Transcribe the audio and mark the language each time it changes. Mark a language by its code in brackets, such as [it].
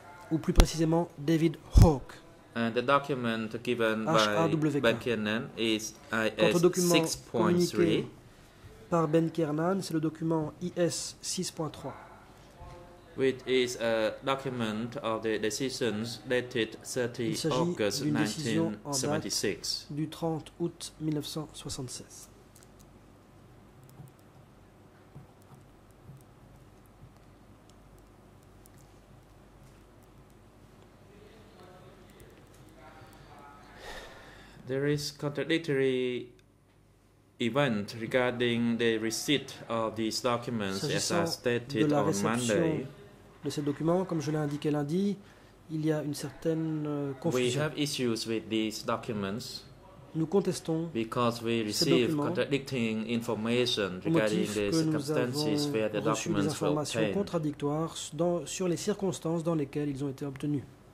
[fr] Ou plus précisément David Hawk. [en] And the document given H-A-W-K. By Ben Kiernan is IS-6.3. [fr] Par Ben Kiernan, c'est le document IS-6.3. [en] Which is a document of the decisions dated 30 August 1976. [fr] Du 30 août 1976. [en] There is contradictory event regarding the receipt of these documents, [fr] s'agissant [en] as I stated on Monday. [fr] De ces documents, comme je l'ai indiqué lundi, il y a une certaine confusion. [en] We have issues with these documents. [fr] Nous contestons [en] because we receive contradicting information regarding the circumstances where the documents were obtained. [fr] Des informations contradictoires sur les circonstances dans lesquelles ils ont été obtenus.